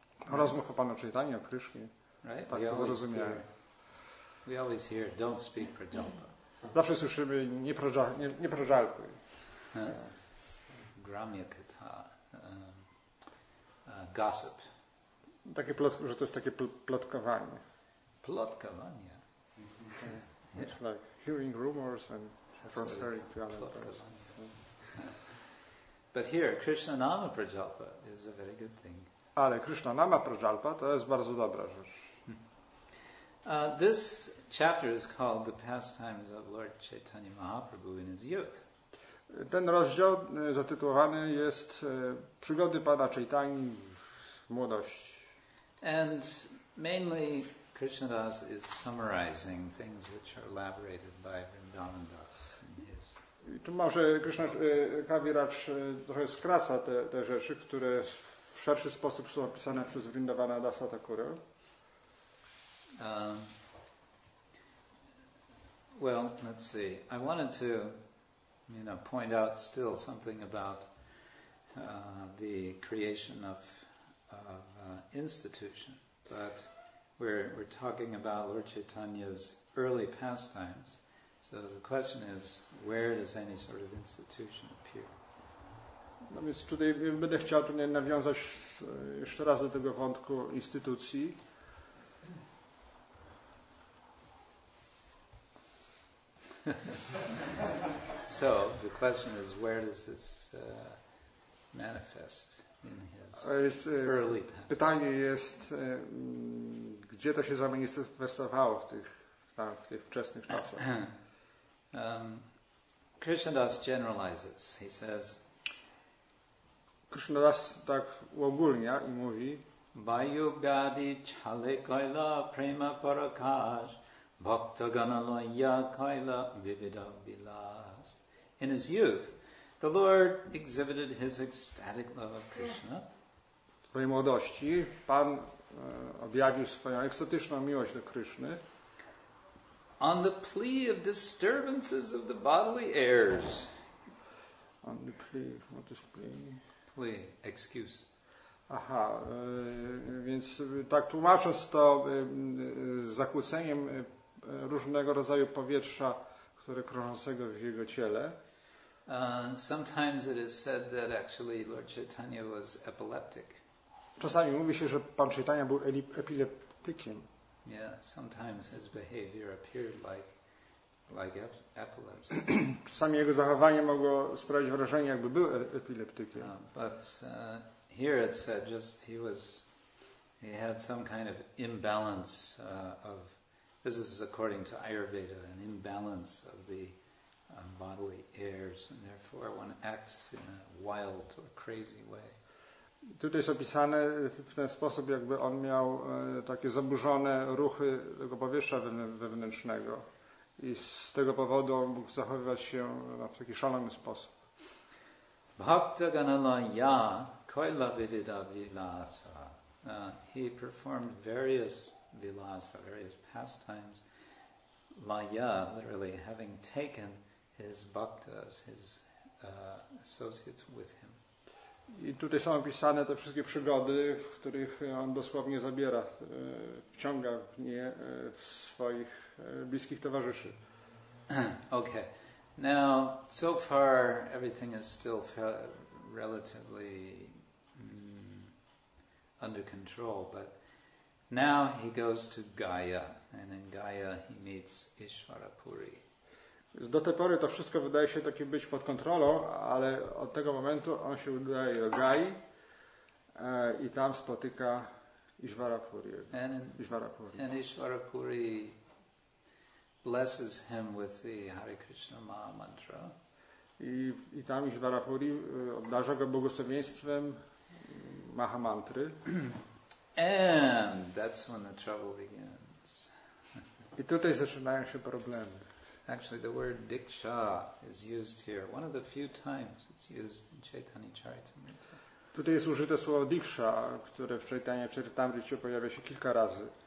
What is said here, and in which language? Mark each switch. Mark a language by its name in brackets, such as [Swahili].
[Polish] Rozmów o Panu Czajtanie, o Krysznie. [English] Right? [Polish] Tak, we to zrozumiałem. [English] We always hear, don't speak Prajapa. [Polish] Zawsze słyszymy, nie, praża, nie, nie prażalkuj. [Bangla] Gramya kata. [English] Gossip. [Polish] Takie plotko, że to jest takie plotkowanie. Plotkowanie. Mm-hmm. [English] Yeah. It's like hearing rumors and transferring to other places. But here, Krishna Nama Prajapa is a very good thing. [Polish] Ale Krishna Nama Prajapa to jest bardzo dobra rzecz. [English] This chapter is called The Pastimes of Lord Chaitanya Mahaprabhu in His Youth. [Polish] Ten rozdział zatytułowany jest Przygody Pana Chaitanyi w młodości. [English] And mainly Krishnadas is summarizing things which are elaborated by Vrindavandas in his. [Polish] I tu może Krishna Kaviraj trochę skraca te, te rzeczy, które w szerszy sposób są opisane przez Vrindavanadasa Thakura. [English] Well, let's see. I wanted to, you know, point out still something about the creation of institution, but we're talking about Lord Chaitanya's early pastimes. So the question is, where does any sort of institution appear? [Polish] No więc tutaj będę chciał tutaj nawiązać jeszcze raz do tego wątku instytucji. [English] So the question is, where does this manifest in his early past? [Polish] Pytanie jest, gdzie to się zamanifestowało w tych, tam, w tych wczesnych czasach? [English] Krishnadas generalizes. He says, [Polish] Krishnadas tak ogólnia i mówi, [Bangla] Vayugadi chale kaila prema parakash. [English] In his youth, the Lord exhibited his ecstatic love of Krishna. [Polish] W swojej młodości Pan objawił swoją ekstatyczną miłość do Kryszny. [English] On the plea of disturbances of the bodily airs. On the plea, what is plea? Plea, excuse. [Polish] Aha, więc tak tłumacząc to zakłóceniem różnego rodzaju powietrza, które krążącego w jego ciele. [English] Sometimes it is said that actually Lord Chaitanya was epileptic. [Polish] Czasami mówi się, że Pan Chaitanya był epileptykiem. [English] Yeah, sometimes his behavior appeared like epilepsy. [Polish] Czasami jego zachowanie mogło sprawić wrażenie, jakby był epileptykiem. [English] But here it said just he had some kind of imbalance of. This is according to Ayurveda, an imbalance of the bodily airs, and therefore one acts in a wild or crazy way. [Polish] Tutaj jest opisane w ten sposób, jakby on miał takie zaburzone ruchy tego powietrza wewnętrznego i z tego powodu on mógł zachowywać się w taki szalony sposób. [Bangla] Bhakta ganala ya koila vivida vilasa. [English] He performed various vilasa, various pastimes, laya, literally having taken his bhaktas, his associates with him. [Polish] I tutaj są opisane te wszystkie przygody, w których on dosłownie zabiera, wciąga w nie w swoich bliskich towarzyszy. [English] Okay. Now, so far everything is still relatively under control, but now he goes to Gaya, and in Gaya he meets Ishvara Puri. [Polish] Do tej pory to wszystko wydaje się takie być pod kontrolą, ale od tego momentu on się udaje do Gai i tam spotyka Ishvara Puri. [English] And Ishvara Puri blesses him with the Hare Krishna Maha Mantra. [Polish] I tam Ishvara Puri obdarza go błogosławieństwem maha mantry. [English] And that's when the trouble begins. [Polish] I tutaj zaczynają się problemy. [English] Actually, the word diksha is used here. One of the few times it's used in Chaitanya Charitamrita. [Polish] Tutaj jest użyte słowo diksha, które w Chaitanya Charitamrita pojawia się kilka razy.